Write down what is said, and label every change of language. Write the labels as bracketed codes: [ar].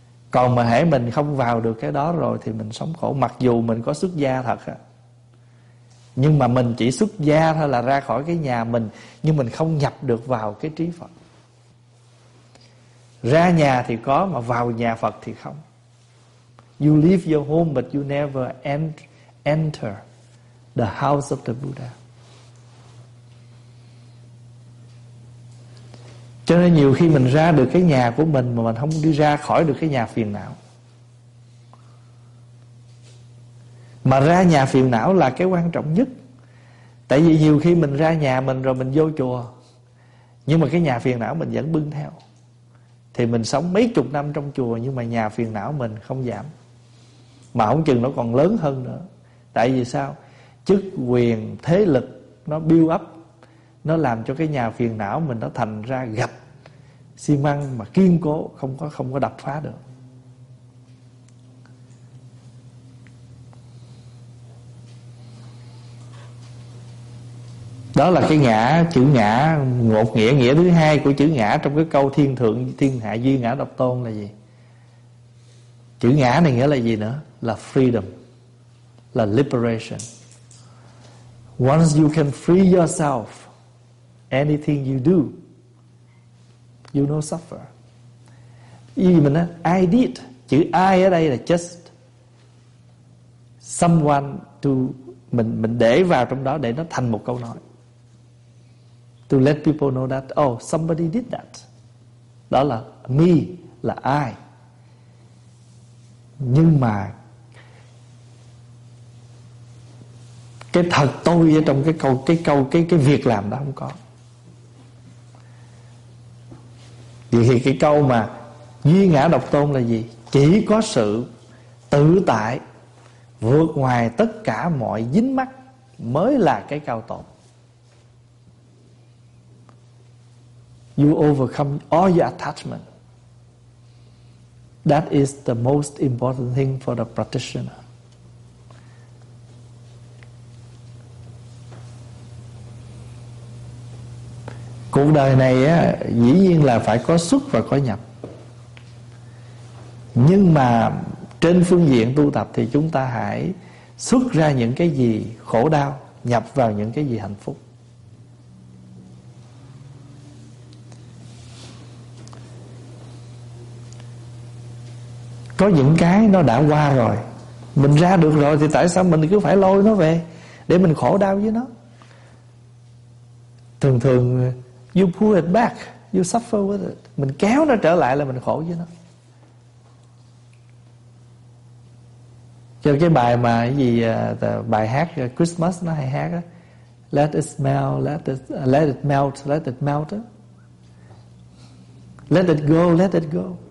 [vi] Còn mà hãy mình không vào được cái đó rồi thì mình sống khổ, mặc dù mình có xuất gia thật á. Nhưng mà mình chỉ xuất gia thôi là ra khỏi cái nhà mình, nhưng mình không nhập được vào cái trí Phật. Ra nhà thì có, mà vào nhà Phật thì không. [en] You leave your home but you never enter the house of the Buddha. [vi] Cho nên nhiều khi mình ra được cái nhà của mình mà mình không đi ra khỏi được cái nhà phiền não. Mà ra nhà phiền não là cái quan trọng nhất. Tại vì nhiều khi mình ra nhà mình rồi mình vô chùa, nhưng mà cái nhà phiền não mình vẫn bưng theo. Thì mình sống mấy chục năm trong chùa nhưng mà nhà phiền não mình không giảm, mà không chừng nó còn lớn hơn nữa. Tại vì sao? Chức quyền, thế lực nó [en] build up, [vi] nó làm cho cái nhà phiền não mình nó thành ra gạch xi măng mà kiên cố, không có đập phá được. Đó là cái ngã, chữ ngã ngột nghĩa, nghĩa thứ hai của chữ ngã trong cái câu thiên thượng thiên hạ duy ngã độc tôn là gì? Chữ ngã này nghĩa là gì nữa? Là freedom, là liberation. [en] Once you can free yourself, anything you do, you no suffer. [vi] Ý mình á, [en] I did. [vi] Chữ I ở đây là [en] just someone to, [vi] mình để vào trong đó để nó thành một câu nói. [en] To let people know that, oh, somebody did that. [vi] Đó là me, là I. Nhưng mà cái thật tôi ở trong cái việc làm đó không có. Vì cái câu mà duy ngã độc tôn là gì? Chỉ có sự tự tại vượt ngoài tất cả mọi dính mắc mới là cái cao tôn. [en] You overcome all your attachment. That is the most important thing for the practitioner. [vi] Cuộc đời này á, dĩ nhiên là phải có xuất và có nhập. Nhưng mà trên phương diện tu tập thì chúng ta hãy xuất ra những cái gì khổ đau, nhập vào những cái gì hạnh phúc. Có những cái nó đã qua rồi, mình ra được rồi thì tại sao mình cứ phải lôi nó về để mình khổ đau với nó? Thường thường [en] you pull it back, you suffer with it. [vi] Mình kéo nó trở lại là mình khổ với nó. Cho cái bài mà cái gì, bài hát Christmas nó hay hát á, [en] let it melt, let it go.